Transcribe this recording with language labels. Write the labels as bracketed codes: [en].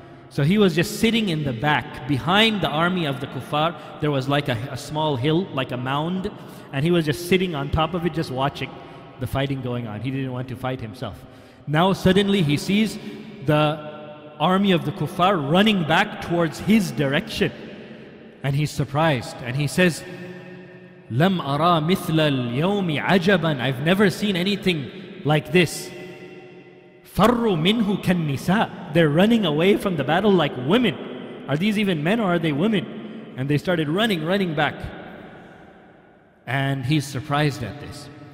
[en] So he was just sitting in the back behind the army of the Kuffar. There was like a small hill, like a mound. And he was just sitting on top of it, just watching the fighting going on. He didn't want to fight himself. Now suddenly he sees the army of the Kuffar running back towards his direction. And he's surprised. And he says, [ar] لَمْ أَرَى مِثْلَ الْيَوْمِ عَجَبًا. [en] I've never seen anything like this. [ar] فَرُّ مِنْهُ كَالنِّسَاء. [en] They're running away from the battle like women. Are these even men or are they women? And they started running back. And he's surprised at this.